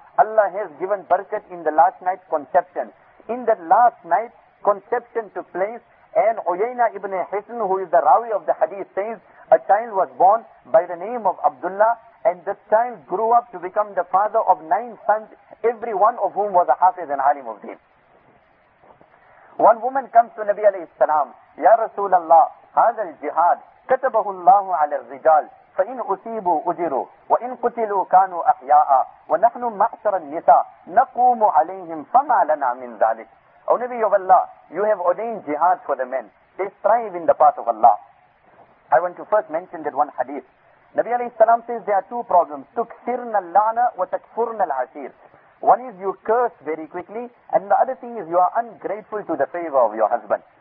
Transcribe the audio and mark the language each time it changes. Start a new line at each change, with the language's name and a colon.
English: Allah has given barakat in the last night conception. In that last night, conception took place, and Uyayna ibn Hisn, who is the rawi of the hadith, says, a child was born by the name of Abdullah, and this child grew up to become the father of 9 sons, every one of whom was a hafiz and alim of deen.
Arabic: One woman comes to Nabi alayhi salam, Ya Rasulallah, هذا الجهاد كتبه الله على الرجال فإن أصيبوا أجروا وإن قتلوا كانوا أحياء ونحن معشر النساء نقوم عليهم فما لنا من ذلك.
English: O Nabi of Allah, you have ordained jihad for the men. They strive in the path of Allah. I want to first mention that one hadith. Nabi alayhi salam says there are two problems.
Arabic: تُكْثِرْنَ اللَّعْنَ وَتَكْفُرْنَ الْعَشِيرُ.
English: One is you curse very quickly and the other thing is you are ungrateful to the favor of your husband.